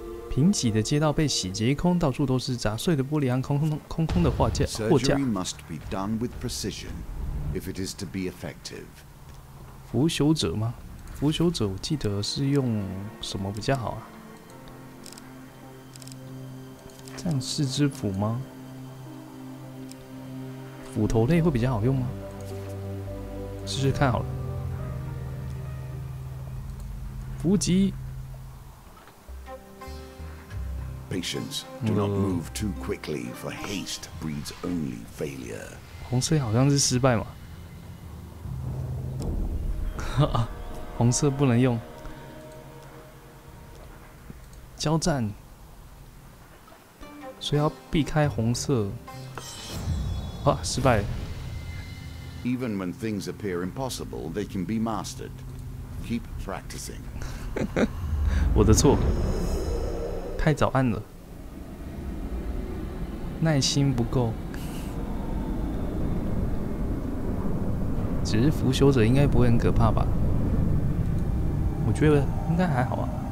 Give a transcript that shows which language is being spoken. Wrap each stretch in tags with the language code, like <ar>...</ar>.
<zh>贫瘠的街道被洗劫一空，到处都是砸碎的玻璃和空空的货架。</zh> <en>Surgery must be done with precision if it is to be effective.</en> <zh>腐朽者吗？腐朽者，我记得是用什么比较好啊？战士之斧吗？斧头类会比较好用吗？试试看好了。伏击。</zh> <en>Patience, do not move too quickly, for haste breeds only failure.</en> <zh>红色好像是失败嘛。红色不能用。交战。所以要避开红色。啊，失败了。</zh> <en>Even when things appear impossible, they can be mastered. Keep practicing.</en> <zh>我的错，太早按了，耐心不够。只是腐朽者应该不会很可怕吧？我觉得应该还好啊。</zh>